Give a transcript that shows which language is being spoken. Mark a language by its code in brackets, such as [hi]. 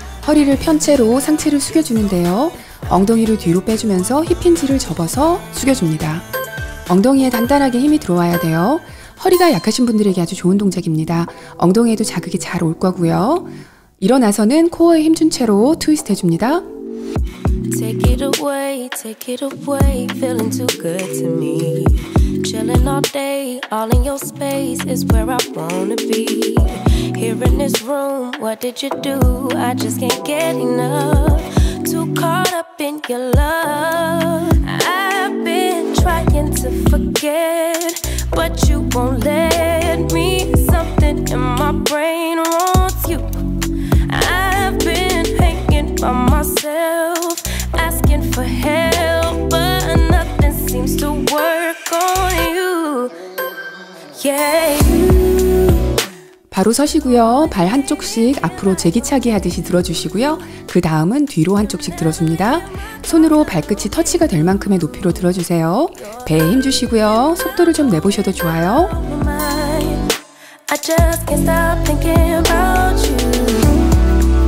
[ko] 허리를 편 채로 상체를 숙여주는데요. 엉덩이를 뒤로 빼주면서 힙힌지를 접어서 숙여줍니다. 엉덩이에 단단하게 힘이 들어와야 돼요. 허리가 약하신 분들에게 아주 좋은 동작입니다. 엉덩이에도 자극이 잘 올 거고요. 일어나서는 코어에 힘 준 채로 트위스트 해줍니다. [en] Take it away, take it away, feeling too good to me. Chilling all day, all in your space is where I wanna be. Here in this room, what did you do? I just can't get enough. Too caught up in your love. I've been trying to forget, but you won't let me. Something in my brain wants you. I've been hanging by myself, asking for help, but nothing seems to work on you. [ko] Yeah. 바로 서시고요. 발 한쪽씩 앞으로 제기차기 하듯이 들어주시고요. 그 다음은 뒤로 한쪽씩 들어줍니다. 손으로 발끝이 터치가 될 만큼의 높이로 들어주세요. 배에 힘 주시고요. 속도를 좀 내보셔도 좋아요. [en] I just can't stop thinking about you.